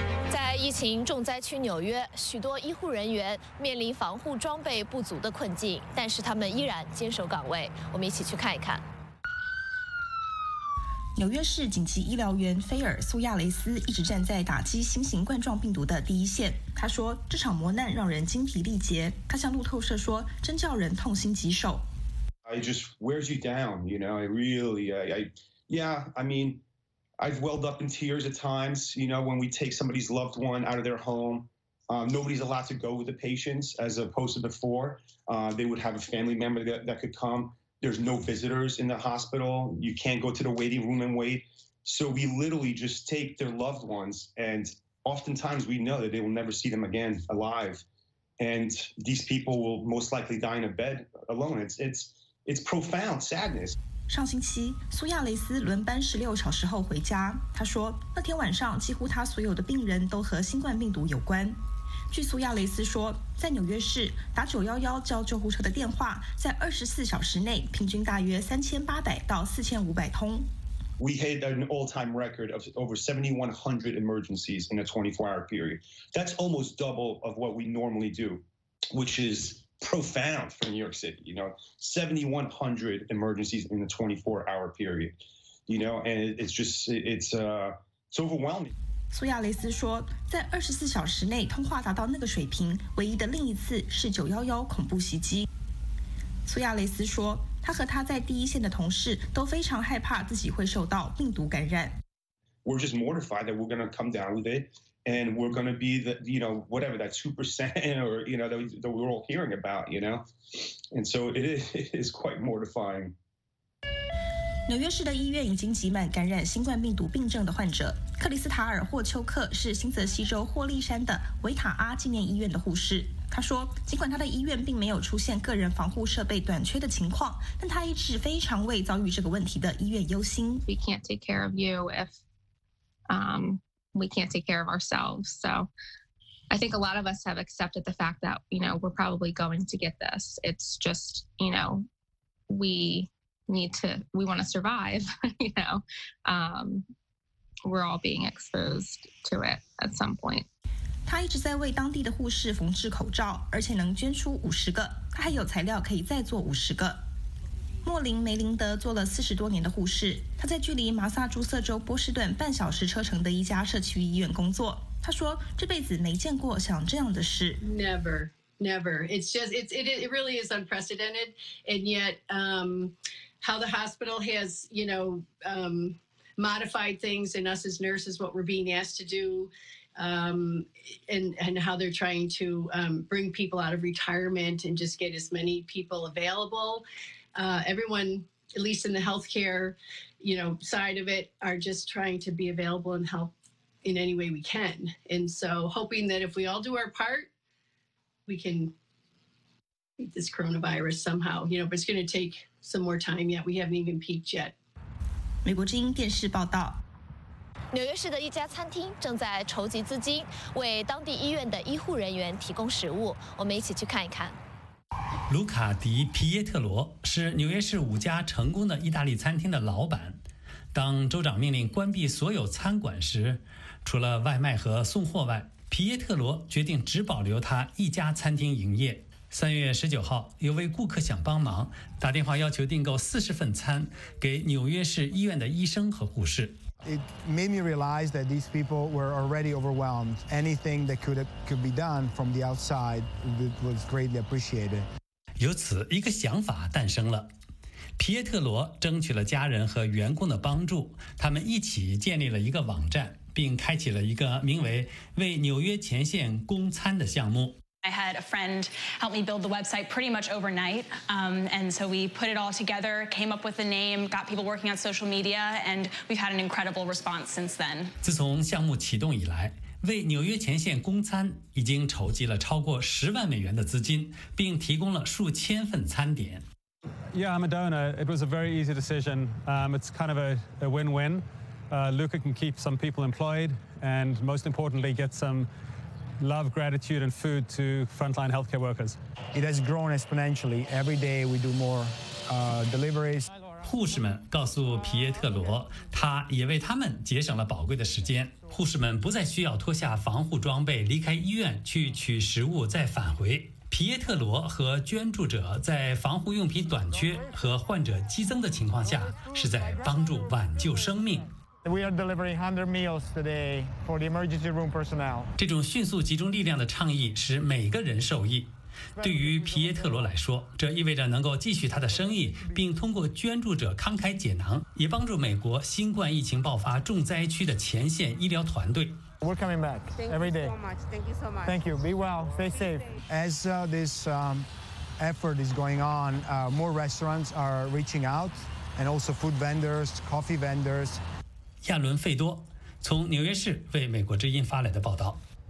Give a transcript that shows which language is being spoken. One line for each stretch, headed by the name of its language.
Chinese: 在疫情重灾区纽约，许多医护人员面临防护装备不足的困境，但是他们依然坚守岗位。我们一起去看一看。纽约市紧急医疗员菲尔·苏亚雷斯一直站在打击新型冠状病毒的第一线。他说，这场磨难让人精疲力竭。他向路透社说，真叫人痛心疾首。
English: It just wears you down, you know, it really, I've welled up in tears at times, you know, when we take somebody's loved one out of their home. Nobody's allowed to go with the patients as opposed to before. They would have a family member that could come. There's no visitors in the hospital. You can't go to the waiting room and wait. So we literally just take their loved ones, and oftentimes we know that they will never see them again alive. And these people will most likely die in a bed alone. It's profound sadness.
Chinese: 上星期，苏亚雷斯轮班16小时后回家。他说，那天晚上几乎他所有的病人都和新冠病毒有关。据苏亚雷斯说，在纽约市打911叫救护车的电话，在24小时内平均大约3800到4500通。
English: We hit an all-time record of over 7,100 emergencies in a 24-hour period. That's almost double of what we normally do, which is. Profound for New York City, you know, 7,100 emergencies in a 24-hour period, you know, and it's overwhelming.
Chinese: 苏亚雷斯说，在24小时内通话达到那个水平，唯一的另一次是911恐怖袭击。苏亚雷斯说，他和他在第一线的同事都非常害怕自己会受到病毒感染。
English: We're just mortified that we're going to come down with it. And we're going to be the, you know, whatever that 2% or, you know, that we're all hearing about, you know. And so it is quite mortifying.
Chinese: 纽约市的医院已经挤满感染新冠病毒病症的患者。克里斯塔尔·霍丘克是新泽西州霍利山的维塔阿纪念医院的护士。他说，尽管他的医院并没有出现个人防护设备短缺的情况，但他一直非常为遭遇这个问题的医院忧心。
English: We can't take care of you if, We can't take care of ourselves. So I think a lot of us have accepted the fact that, you know, we're probably going to get this. It's just, you know, we want to survive, you know. We're all being exposed to it at some point.
Chinese: 他一直在为当地的护士缝制口罩，而且能捐出50个，他还有材料可以再做50个。莫林·梅林德做了40多年的护士，他在距离马萨诸塞州波士顿半小时车程的一家社区医院工作。他说，这辈子没见过像这样的事。
English: Never, never. It's just, it really is unprecedented. And yet, how the hospital has, you know, modified things and us as nurses, what we're being asked to do, and how they're trying to bring people out of retirement and just get as many people available. Everyone, at least in the healthcare, you know, side of it, are just trying to be available and help in any way we can. And so hoping that if we all do our part, we can beat this coronavirus somehow. You know, but it's going to take some more time yet. We haven't even peaked yet.
Chinese: 美国之音电视报道。纽约市的一家餐厅正在筹集资金，为当地医院的医护人员提供食物。我们一起去看一看。卢卡迪·皮耶特罗是纽约市5家成功的意大利餐厅的老板。当州长命令关闭所有餐馆时，除了外卖和送货外，皮耶特罗决定只保留他一家餐厅营业。 3月19号，有位顾客想帮忙，打电话要求订购40份餐给纽约市医院的医生和护士。
English: It made me realize that these people were already overwhelmed. Anything that could be done from the outside was greatly appreciated.
Chinese: 由此，一个想法诞生了。皮耶特罗争取了家人和员工的帮助，他们一起建立了一个网站，并开启了一个名为“为纽约前线供餐”的项目。
English: I had a friend help me build the website pretty much overnight. And so we put it all together, came up with a name, got people working on social media, and we've had an incredible response since then.
Chinese: 自从项目启动以来，为纽约前线供餐已经筹集了超过$100,000的资金，并提供了数千份餐点。
English: Yeah, I'm a donor. It was a very easy decision. It's kind of a win-win. Luca can keep some people employed and most importantly get some love, gratitude and food to frontline healthcare workers. It has grown exponentially. Every day we do more deliveries.
Chinese: 护士们告诉皮耶特罗，他也为他们节省了宝贵的时间。护士们不再需要脱下防护装备离开医院去取食物再返回。皮耶特罗和捐助者在防护用品短缺和患者激增的情况下，是在帮助挽救生命。
English: We are delivering 100 meals today for the emergency room personnel.
Chinese: 这种迅速集中力量的倡议使每个人受益。对于皮耶特罗来说，这意味着能够继续他的生意，并通过捐助者慷慨解囊，也帮助美国新冠疫情爆发重灾区的前线医疗团队。
English: We're coming back every day. Thank you so much. Thank you. Be well. Stay safe. As this effort is going on, more restaurants are reaching out, and also food vendors, coffee vendors.
Chinese: 亚伦·费多从纽约市为美国之音发来的报道。